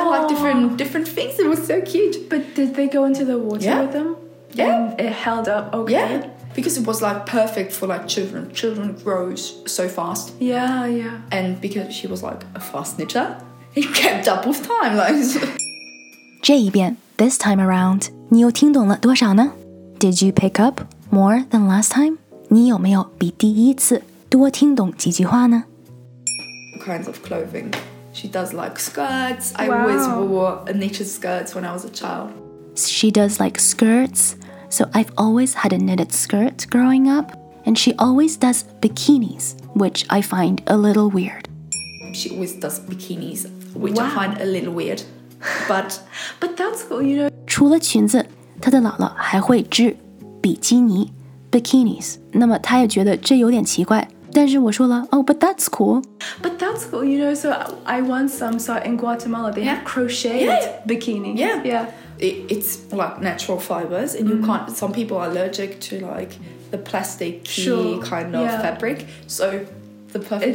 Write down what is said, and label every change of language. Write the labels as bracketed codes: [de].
[en] And like different things. It was so cute. But did they go into the water with them? Yeah. And it held up okay. Yeah. Because it was like perfect for like children. Children grow so fast. Yeah, yeah. And because she was like a fast knitter, it kept up with time. Like, [zh] 这一遍, [en] this time around, [zh] 你又听懂了多少呢? [en] Did you pick up more than last time? [zh] 你有没有比第一次多听懂几句话呢? [en] Kinds of clothing. She does like skirts. Wow. I always wore a knitted skirt when I was a child. She does like skirts. So I've always had a knitted skirt growing up. And she always does bikinis, which I find a little weird. She always does bikinis, which I find a little weird. But but that's cool, you know. [zh] 除了裙子, 她的姥姥还会织比基尼, bikinis. 那么她也觉得这有点奇怪。但是我说了, [en] oh, but that's cool. But that's cool, you know, so I once saw in Guatemala, they have crocheted bikinis. Yeah. Yeah. It's like natural fibers, and you can't, some people are allergic to like the plasticky kind of fabric. So the perfect